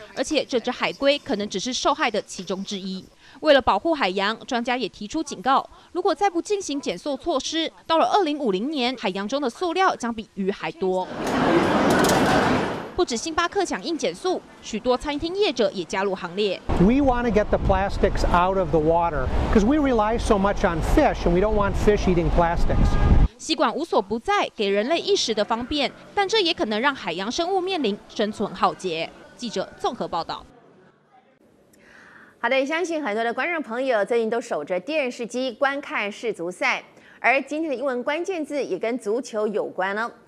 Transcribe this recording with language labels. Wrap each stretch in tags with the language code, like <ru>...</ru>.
<zh>而且这只海龟可能只是受害的其中之一。为了保护海洋，专家也提出警告，如果再不进行减塑措施，到了2050年，海洋中的塑料将比鱼还多。不止星巴克响应减塑，许多餐厅业者也加入行列。</zh> <en>We want to get the plastics out of the water because we rely so much on fish and we don't want fish eating plastics.</en> <zh>吸管无所不在，给人类一时的方便，但这也可能让海洋生物面临生存浩劫。记者综合报道。好的，相信很多的观众朋友最近都守着电视机观看世足赛，而今天的英文关键字也跟足球有关了。</zh>